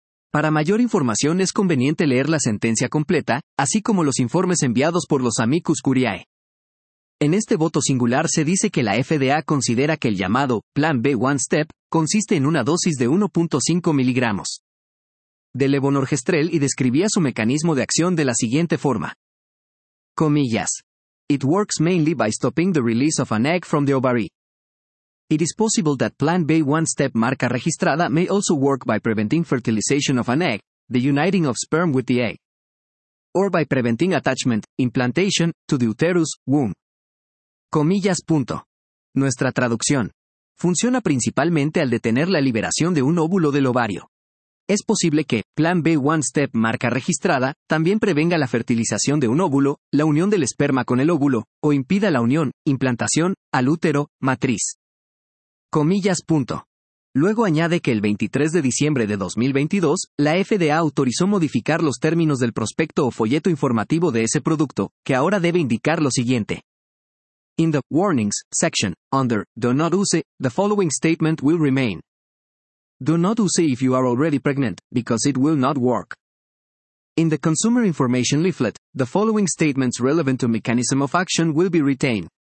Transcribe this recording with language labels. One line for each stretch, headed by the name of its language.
Spanish: Para mayor información es conveniente leer la sentencia completa, así como los informes enviados por los amicus curiae. En este voto singular se dice que la FDA considera que el llamado Plan B One Step consiste en una dosis de 1.5 miligramos de levonorgestrel y describía su mecanismo de acción de la siguiente forma. Comillas.
English: It works mainly by stopping the release of an egg from the ovary. It is possible that Plan B One Step
Spanish: marca registrada
English: may also work by preventing fertilization of an egg, the uniting of sperm with the egg, or by preventing attachment, implantation, to the uterus, womb.
Spanish: Comillas punto. Nuestra traducción. Funciona principalmente al detener la liberación de un óvulo del ovario. Es posible que Plan B One Step marca registrada también prevenga la fertilización de un óvulo, la unión del esperma con el óvulo, o impida la unión, implantación, al útero, matriz. Comillas punto. Luego añade que el 23 de diciembre de 2022, la FDA autorizó modificar los términos del prospecto o folleto informativo de ese producto, que ahora debe indicar lo siguiente.
English: In the warnings section, under Do not use, the following statement will remain. Do not use if you are already pregnant, because it will not work. In the consumer information leaflet, the following statements relevant to mechanism of action will be retained.